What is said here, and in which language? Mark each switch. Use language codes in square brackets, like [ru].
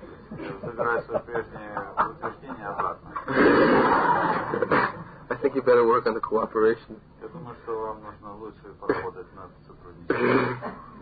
[ru] Я забираю свое прежнее утверждение обратно. [en] I think you better work on the cooperation. [ru] Я думаю, что вам нужно лучше поработать над сотрудничеством.